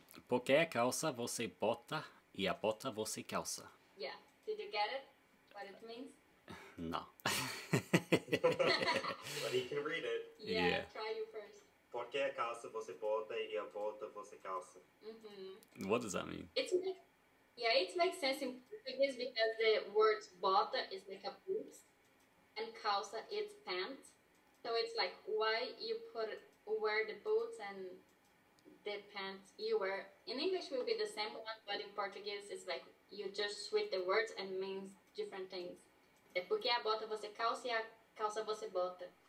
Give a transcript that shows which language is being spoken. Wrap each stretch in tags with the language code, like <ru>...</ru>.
<pt>Por que a calça você bota e a bota você calça?</pt> <en>Yeah. Did you get it? What it means? No. But he can read it. Yeah. Try you first.</en> <pt>Por que a calça você bota e a bota você calça? Mm-hmm.</pt> <en>What does that mean? It makes sense in Portuguese because the word bota is like a boots and calça is pants. So it's like why you wear the boots and the pants you wear. In English will be the same one, but in Portuguese it's like you just switch the words and means different things.</en> <pt>Porque a bota você calça e a calça você bota.</pt>